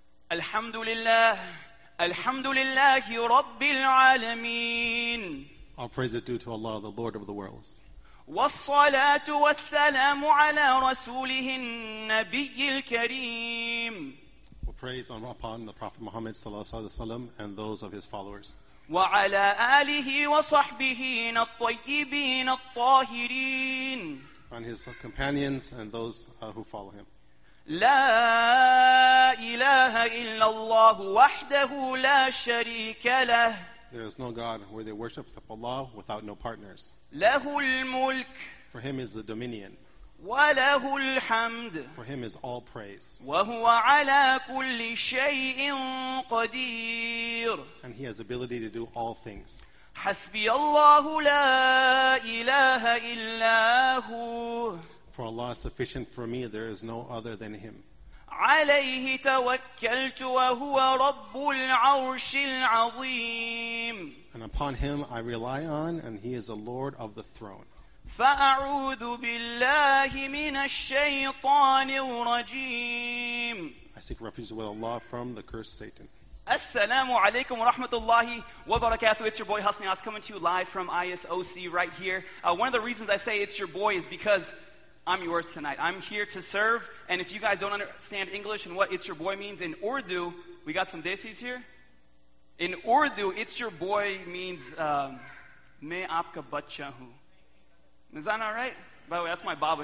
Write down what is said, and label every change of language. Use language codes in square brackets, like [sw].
[ar] Alhamdulillah, alhamdulillahi rabbil alameen. [en] All praise is due to Allah, the Lord of the worlds. [ar] Wassalatu wassalamu ala rasulihin nabiyyil kareem. [en] All praise upon the Prophet Muhammad sallallahu alaihi wasallam and those of his followers. [ar] وعلى آله وصحبه الطيبين الطاهرين. [en] On his companions and those who follow him. [ar] لا إله إلا الله وحده لا شريك له. [en] There is no God worthy of worship except Allah without no partners. [ar] له الملك. [en] For him is the dominion. [ar] وله الحمد. [en] For him is all praise. [ar] وهو على كل شيء قدير. [en] And he has ability to do all things. [ar] حسبي الله لا إله إلا هو. [en] For Allah is sufficient for me, there is no other than him. [ar] عليه توكلت وهو رب العرش العظيم. [en] And upon him I rely on, and he is the Lord of the throne. [ar] فأعوذ بالله من الشيطان الرجيم. [en] I seek refuge with Allah from the cursed Satan. [ar] السلام عليكم ورحمة الله وبركاته. [en] It's your boy Hassan Yaz coming to you live from ISOC right here. One of the reasons I say it's your boy is because I'm yours tonight. I'm here to serve. And if you guys don't understand English and what it's your boy means in Urdu, we got some desis here. In Urdu, it's your boy means [ur] main aapka bachcha hu. [en] Is that not right? By the way, that's my baba.